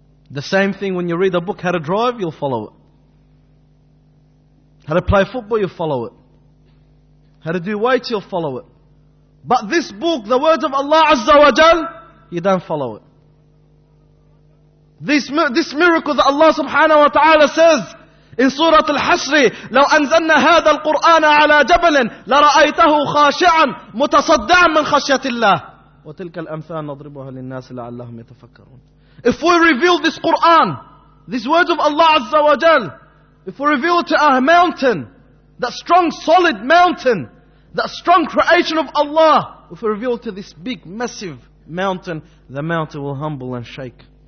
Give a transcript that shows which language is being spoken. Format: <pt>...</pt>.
<en>The same thing when you read a book, how to drive, you'll follow it. How to play football, you'll follow it. How to do weights, you'll follow it. But this book, the words of Allah azza wa jal, you don't follow it. This miracle that Allah subhanahu wa ta'ala says in Surah Al-Hashr,</en> <ar>لو أنزلنا هذا القرآن على جبل لرأيته خاشعا متصدعا من خشية الله وتلك الأمثال نضربها للناس لعلهم يتفكرون.</ar> <en>If we reveal this Quran, this words of Allah Azza wa Jal, if we reveal it to a mountain, that strong solid mountain, that strong creation of Allah, if we reveal it to this big massive mountain, the mountain will humble and shake.</en>